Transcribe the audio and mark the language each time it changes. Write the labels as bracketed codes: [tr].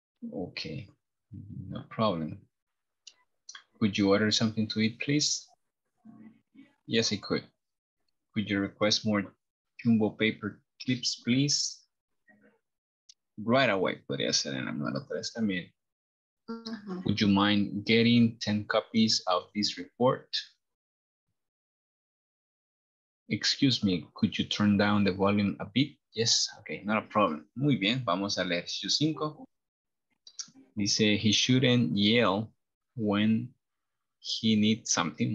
[en] Ok, no problem. Could you order something to eat, please? Yes, I could. Could you request more jumbo paper clips, please? Right away, [es] podría ser en la número 3 también. [en] Would you mind getting 10 copies of this report? Excuse me, could you turn down the volume a bit? Yes, okay, not a problem. [es] Muy bien, vamos al ejercicio 5. Dice, [en] he shouldn't yell when he needs something.